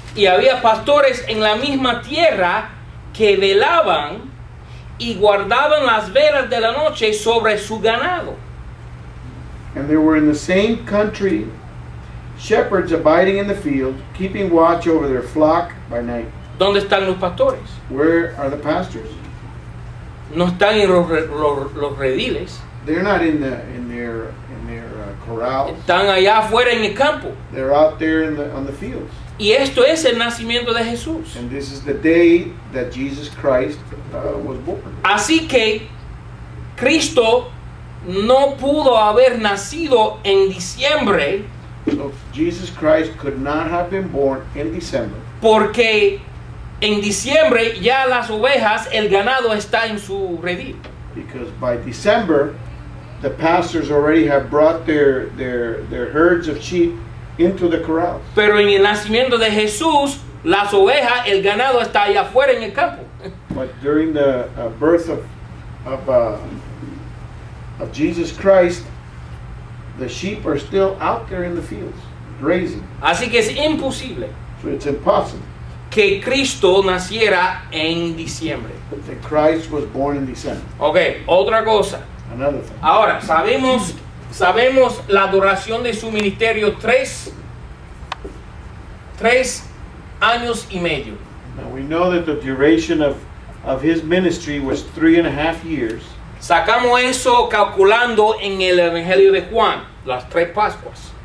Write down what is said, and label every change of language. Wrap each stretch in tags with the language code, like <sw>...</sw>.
<es>Y había pastores en la misma tierra que velaban y guardaban las velas de la noche sobre su ganado.</es> <en>And there were in the same country shepherds abiding in the field, keeping watch over their flock by night.</en> <es>¿Dónde están los pastores?</es> <en>Where are the pastors?</en> <es>No están en los rediles.</es> <en>They're not in their corral.</en> <es>Están allá afuera en el campo.</es> <en>They're out there on the fields.</en> <es>Y esto es el nacimiento de Jesús.</es> <en>And this is the day that Jesus Christ was born.</en> <es>Así que Cristo no pudo haber nacido en diciembre.</es> <en>So Jesus Christ could not have been born in December.</en> <es>Porque en diciembre ya las ovejas, el ganado está en su redil.</es> <en>Because by December, the pastors already have brought their herds of sheep into the corrals.</en> <es>Pero en el nacimiento de Jesús, las ovejas, el ganado está allá afuera en el campo.</es> <en>But during the birth of Jesus Christ, the sheep are still out there in the fields, grazing.</en> <es>Así que es imposible.</es> <en>So it's impossible.</en> <es>Que Cristo naciera en diciembre.</es> <en>That Christ was born in December.</en> <es>Okay, otra cosa.</es> <en>Another thing.</en> <es>Ahora, sabemos la duración de su ministerio, tres años y medio.</es> <en>Now we know that the duration of his ministry was 3.5 years.</en> <es>Sacamos eso calculando en el Evangelio de Juan, las tres Pascuas.</es>